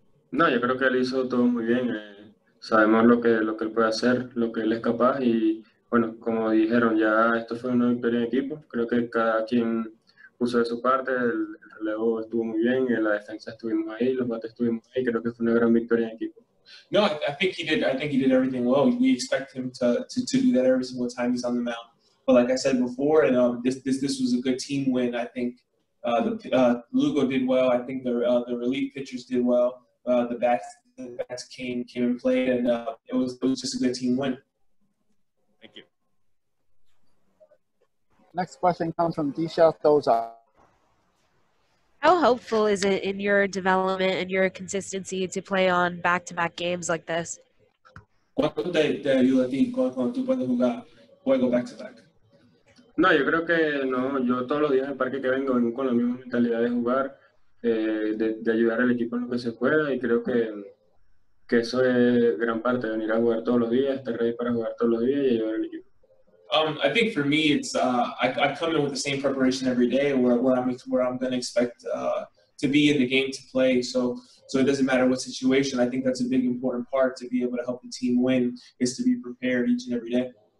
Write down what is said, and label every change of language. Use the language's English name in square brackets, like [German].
[Spanish] No, yo creo que él hizo todo muy bien. Sabemos lo que él puede hacer, lo que él es capaz. Y bueno, como dijeron, ya esto fue una victoria en equipo. Creo que cada quien puso de su parte. El relevo estuvo muy bien, la defensa estuvimos ahí, los bates estuvimos ahí. Creo que fue una gran victoria en equipo. [English] No, I think he did everything well. We expect him to do that every single time he's on the mound. But like I said before, and this was a good team win. I think Lugo did well. I think the relief pitchers did well. The bats came and played, and it was just a good team win. Thank you. Next question comes from Disha Thoza. How hopeful is it in your development and your consistency to play on back-to-back games like this? [Spanish] ¿Cuánto te ayuda a ti cuando tú puedes jugar juego back-to-back? No, yo creo que no. Yo todos los días en el parque que vengo con la misma mentalidad de jugar, de ayudar al equipo en lo que se pueda, y creo que eso es gran parte de venir a jugar todos los días, estar ready para jugar todos los días y ayudar al equipo. [English] I think for me, it's I come in with the same preparation every day, where I'm going to expect to be in the game to play. So it doesn't matter what situation. I think that's a big important part to be able to help the team win, is to be prepared each and every day.